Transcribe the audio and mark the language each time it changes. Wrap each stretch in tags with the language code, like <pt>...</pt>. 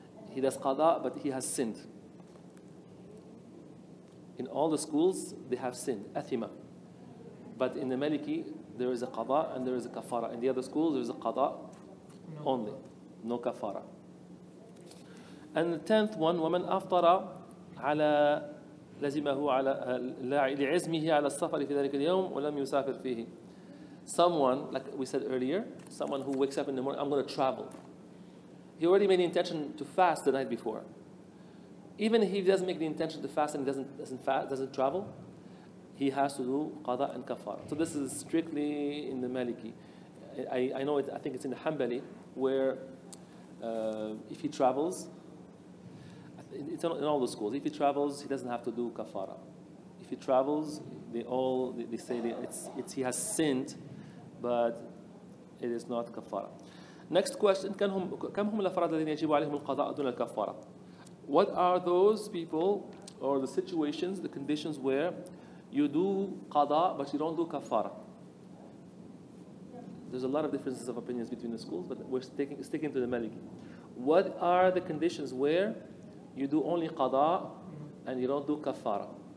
<en>He does qada, but he has sinned. In all the schools, they have sinned, athima. But in the Maliki, there is a qada and there is a kafara. In the other schools, there is a qada only, no kafara. And the tenth one,</en> <ar>وَمَنْ أَفْطَرَ عَلَى لَزِمَهُ عَلَى لِعِزْمِهِ عَلَى السَّفَرِ فِي ذَلِكَ الْيَوْمِ وَلَمْ يُسَافِرْ فِيهِ.</ar> <en>Someone, like we said earlier, someone who wakes up in the morning, I'm going to travel. He already made the intention to fast the night before. Even if he doesn't make the intention to fast and he doesn't travel, he has to do qada and kafar. So this is strictly in the Maliki. I know it, I think it's in the Hanbali, where if he travels, it's in all the schools. If he travels, he doesn't have to do kafara. If he travels, they say it's he has sinned, but it is not kafara. Next question:</en> <ar>كم هم الأفراد الذين يجب عليهم القضاء دون الكفارة?</ar> <en>What are those people or the situations, the conditions where you do qada but you don't do kafara? There's a lot of differences of opinions between the schools, but we're sticking to the Maliki. What are the conditions where you do only qada and you don't do kafara?</en>